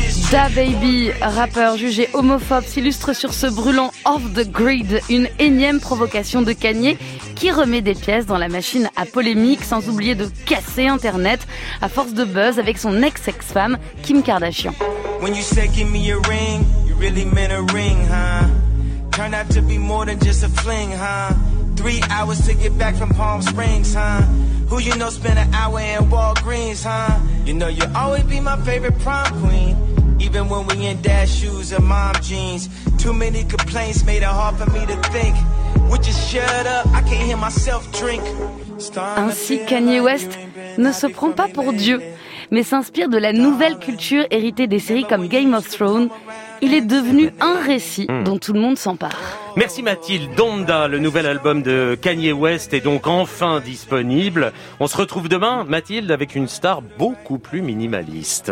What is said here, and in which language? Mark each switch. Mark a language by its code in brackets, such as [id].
[fr] DaBaby, rappeur jugé homophobe, s'illustre sur ce brûlant Off the Grid, une énième provocation de Kanye qui remet des pièces dans la machine à polémique, sans oublier de casser Internet à force de buzz avec son ex-femme Kim Kardashian. [en] When you say give me a ring, you really meant a ring, huh? Turn out to be more than just a fling, huh? 3 hours to get back from Palm Springs, huh? Who you know spent an hour in Walgreens, huh? You know you'll always be my favorite prom queen. Even when we in dad shoes and mom jeans. Too many complaints made it hard for me to think. Would you shut up? I can't hear myself drink. [fr] Ainsi, Kanye West ne se prend pas pour Dieu, mais s'inspire de la nouvelle culture héritée des séries comme Game of Thrones. Il est devenu un récit dont tout le monde s'empare. Merci Mathilde. Donda, le nouvel album de Kanye West, est donc enfin disponible. On se retrouve demain, Mathilde, avec une star beaucoup plus minimaliste.